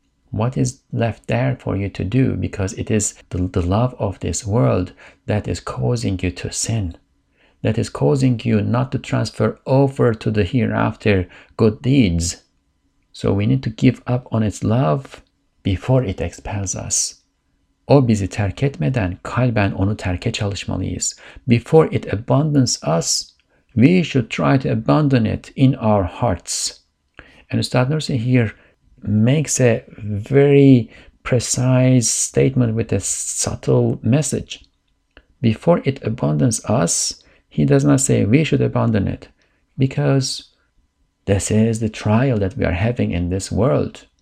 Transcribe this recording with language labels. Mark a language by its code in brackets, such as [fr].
[en] What is left there for you to do? Because it is the love of this world that is causing you to sin, that is causing you not to transfer over to the hereafter good deeds. So we need to give up on its love before it expels us. [tr] O bizi terk etmeden kalben onu terke çalışmalıyız. [en] Before it abandons us, we should try to abandon it in our hearts. And Ustad Nursi here makes a very precise statement with a subtle message. Before it abandons us, he does not say we should abandon it, because this is the trial that we are having in this world.